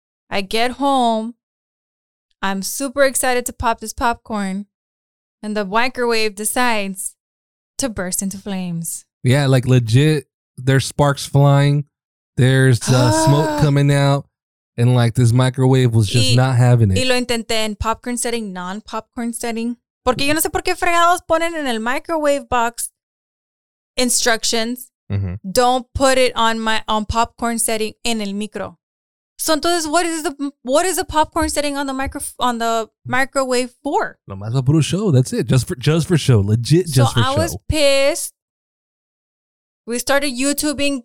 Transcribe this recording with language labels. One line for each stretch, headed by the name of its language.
English: I get home. I'm super excited to pop this popcorn. And the microwave decides to burst into flames. Yeah, like legit, there's sparks flying. There's smoke coming out. And like this microwave was just not having it.
Spanish: Y lo intenté en
English: popcorn setting, non-popcorn setting.
Spanish: Porque yo no sé por qué fregados ponen en el
English: microwave box instructions. Mm-hmm. Don't put it on popcorn setting in el micro. So entonces, what is the popcorn setting on the microwave for?
Spanish: Lo más va puro show.
English: That's it. Just for show. Legit, just so I show. I was pissed. We started YouTubing.